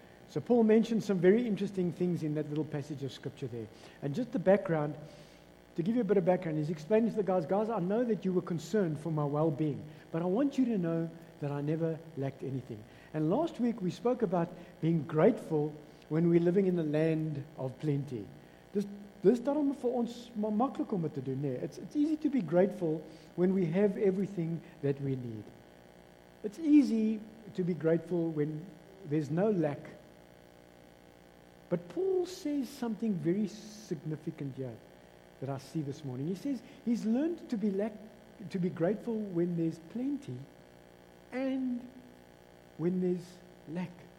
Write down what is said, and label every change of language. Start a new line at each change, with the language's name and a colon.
English: So Paul mentioned some very interesting things in that little passage of Scripture there. And just the background, to give you a bit of background, he's explaining to the guys, "I know that you were concerned for my well-being, but I want you to know that I never lacked anything." And last week we spoke about being grateful when we're living in the land of plenty.
Afrikaans: Dis daarom vir ons maklik om dit te doen, nee.
English: It's easy to be grateful when we have everything that we need. It's easy to be grateful when there's no lack. But Paul says something very significant here that I see this morning. He says he's learned to be grateful when there's plenty and when there's lack.